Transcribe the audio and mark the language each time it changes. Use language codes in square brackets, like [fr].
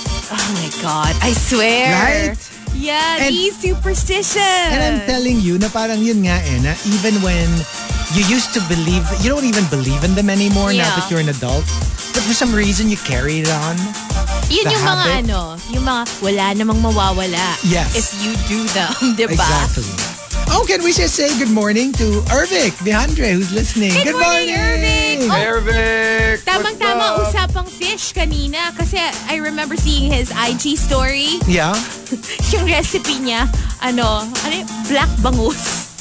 [en] Oh my God, I swear. Right? Yeah, and, these superstitions. And I'm telling you, [tl] na parang yun nga eh, [en] na even when... You used to believe... You don't even believe in them anymore now that you're an adult. But for some reason, you carry it on. [tl] Yun yung [en] habit. [tl] Mga ano. Yung mga wala namang mawawala. [en] Yes. If you do them, diba? Exactly. Oh, can we just say good morning to Ervic Vihandre, who's listening. Good morning, Ervic! Ervic! [tl] Tamang-tama, usapang fish kanina. [en] Kasi I remember seeing his IG story. Yeah? [tl] Yung recipe niya, ano black bangus.